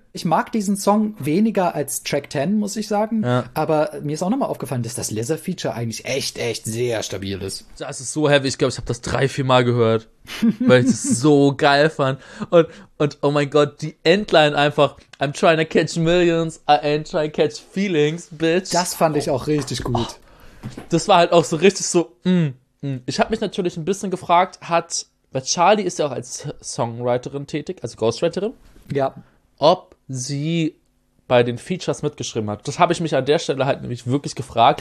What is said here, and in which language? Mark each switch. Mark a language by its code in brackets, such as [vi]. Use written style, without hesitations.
[de] Ich mag diesen Song weniger als Track 10, muss ich sagen. Ja. Aber mir ist auch nochmal aufgefallen, dass das Lizzo-Feature eigentlich echt, echt sehr stabil ist. Das ist so heavy. Ich glaube, ich habe das 3, 4 Mal gehört, weil ich es so geil fand. Und oh mein Gott, die Endline einfach. [en] I'm trying to catch millions. I ain't trying to catch feelings, [de] Das [en] bitch. [de] fand ich Oh. auch richtig gut. Das war halt auch so richtig so. Ich habe mich natürlich ein bisschen gefragt, hat. Weil Charlie ist ja auch als Songwriterin tätig, also Ghostwriterin, Ja. ob sie bei den Features mitgeschrieben hat. Das habe ich mich an der Stelle halt nämlich wirklich gefragt.